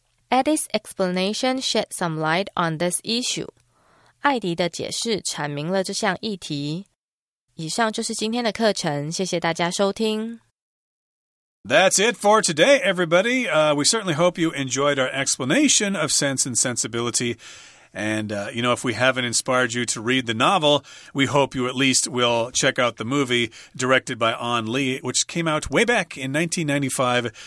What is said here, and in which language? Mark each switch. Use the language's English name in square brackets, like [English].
[English] Eddie's explanation shed some light on this issue. [Chinese] 艾迪的解释阐明了这项议题。以上就是今天的课程，谢谢大家收听。 [English] That's it for today, everybody. We certainly hope you enjoyed our explanation of Sense and Sensibility. And, you know, if we haven't inspired you to read the novel, we hope you at least will check out the movie directed by An Lee, which came out way back in 1995.